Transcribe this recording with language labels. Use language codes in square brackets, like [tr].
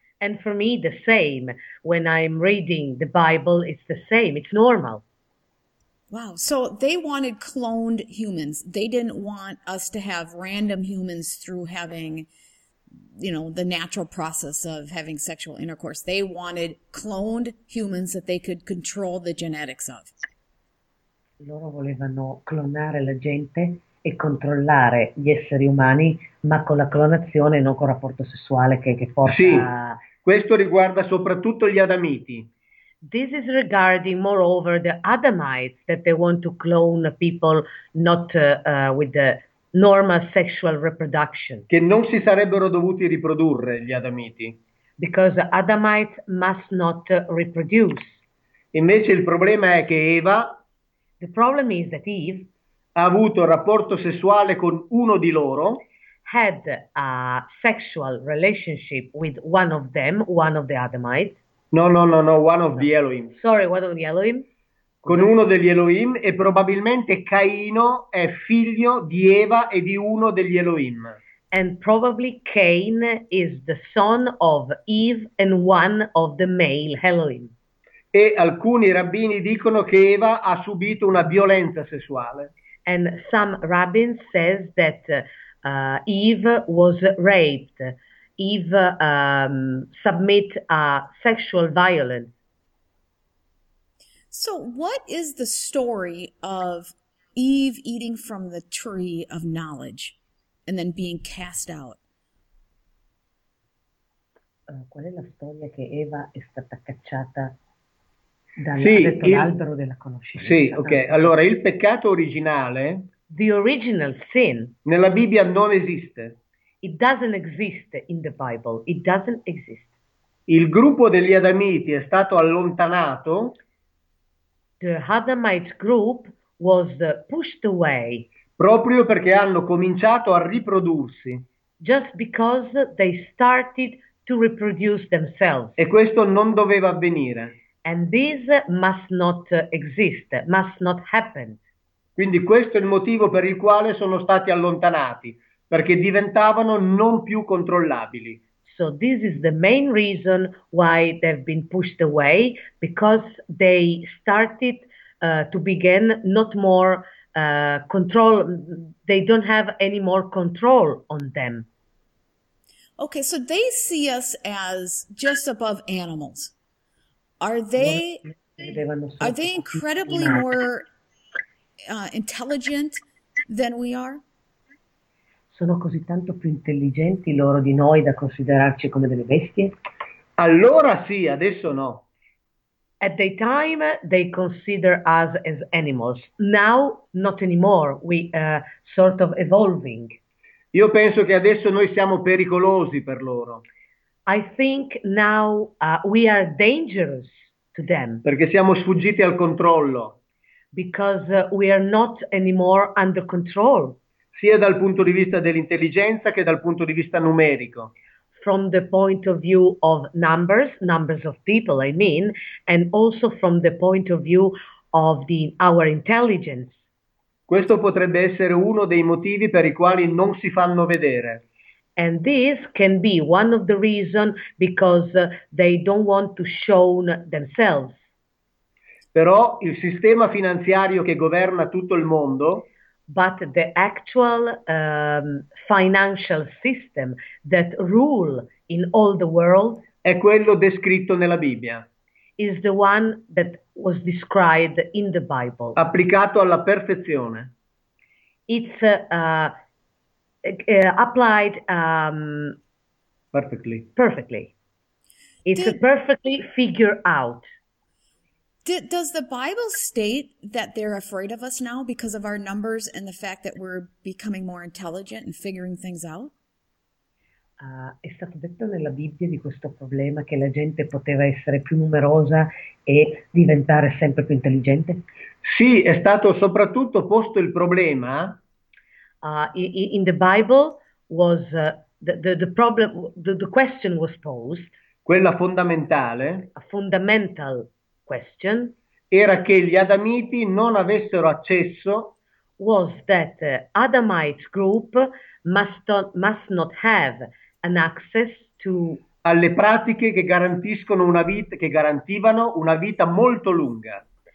[en] And for me the same. When I'm reading the Bible, it's the same, it's normal. Wow, so they wanted cloned humans. They didn't want us to have random humans through having, you know, the natural process of having sexual intercourse. They wanted cloned humans that they could control the genetics of. [it] Loro volevano clonare la gente e controllare gli esseri umani, ma con la clonazione e non con il rapporto sessuale che Sì, porta a. questo riguarda soprattutto gli adamiti. [en] This is regarding, moreover, the Adamites that they want to clone people not with the normal sexual reproduction. [it] Che non si sarebbero dovuti riprodurre gli adamiti. [en] Because Adamites must not reproduce. [it] Invece il problema è che Eva ha [en] The problem is that Eve [it] avuto rapporto sessuale con uno di loro, [en] had a sexual relationship with one of them, one of the Adamites. no, no, no, no, one of the No. [it] Elohim, [en] Sorry, one of the Elohim. [it] con Scusa. uno degli Elohim, e probabilmente Caino è figlio di Eva e di uno degli Elohim. [en] And probably Cain is the son of Eve and one of the male Elohim. [it] E alcuni rabbini dicono che Eva ha subito una violenza sessuale. [en] And some rabbin says that Eve was raped. Eve submit a sexual violence. So, what is the story of Eve eating from the tree of knowledge and then being cast out? [it] Qual è la storia che Eva è stata cacciata? ha detto l'albero della Sì, conoscenza, ok. tanto. Allora, il peccato originale [en] The original sin. [it] nella Bibbia non esiste. [en] It doesn't exist in the Bible. It doesn't exist. [it] Il gruppo degli Adamiti è stato allontanato [en] The Adamite group was pushed away [it] proprio perché hanno cominciato a riprodursi. [en] just because they started to reproduce themselves. [it] E questo non doveva avvenire. [en] And this must not exist, must not happen. [it] Quindi questo è il motivo per il quale sono stati allontanati, perché diventavano non più controllabili. [en] So this is the main reason why they've been pushed away, because they started to begin not more control, they don't have any more control on them. Okay, so they see us as just above animals. Are [it] Loro [en] they [it] li vedevano solo come [en] incredibly more intelligent than we are? [it] Sono così tanto più intelligenti loro di noi da considerarci come delle bestie? Allora sì, adesso no. [en] At the time they consider us as animals. Now not anymore. We are sort of evolving. [it] Io penso che adesso noi siamo pericolosi per loro. [en] I think now we are dangerous to them. [it] Perché siamo sfuggiti al controllo. [en] Because we are not anymore under control. [it] Sia dal punto di vista dell'intelligenza che dal punto di vista numerico. [en] From the point of view of numbers of people, I mean, and also from the point of view of our intelligence. [it] Questo potrebbe essere uno dei motivi per i quali non si fanno vedere. [en] And this can be one of the reasons because they don't want to show themselves. [it] Però il sistema finanziario che governa tutto il mondo [en] But the actual financial system that rule in all the world [it] è quello descritto nella Bibbia, applicato [en] is the one that was described in the Bible. [it] alla perfezione. [en] It's applied Perfectly. perfectly. It's a perfectly figure out. Does the Bible state that they're afraid of us now because of our numbers and the fact that we're becoming more intelligent and figuring things out? [it] È stato detto nella Bibbia di questo problema che la gente poteva essere più numerosa e diventare sempre più intelligente? Sì, è stato soprattutto posto il problema. [en] In the Bible was the problem, the question was posed, [it] Quella fondamentale [en] a fundamental question [it] era che gli Adamiti non avessero accesso [en] was that Adamite group must not have an access to [it] alle pratiche che garantiscono una vita, che garantivano una vita molto lunga.